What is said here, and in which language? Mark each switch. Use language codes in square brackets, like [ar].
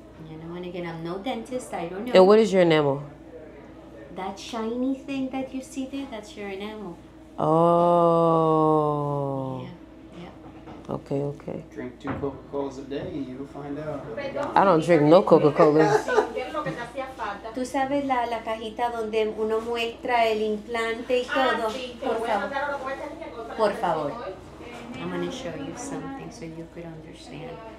[en] You know, and again, I'm no dentist, I don't know. And what is your enamel? That shiny thing that you see there, that's your enamel. Oh. Yeah, yeah. Okay, okay. Drink 2 Coca-Colas a day and you'll find out. I don't drink no Coca-Colas. [es] Tú sabes la cajita donde uno muestra el implante y todo. Por favor. [en] I'm going to show you something so you could understand.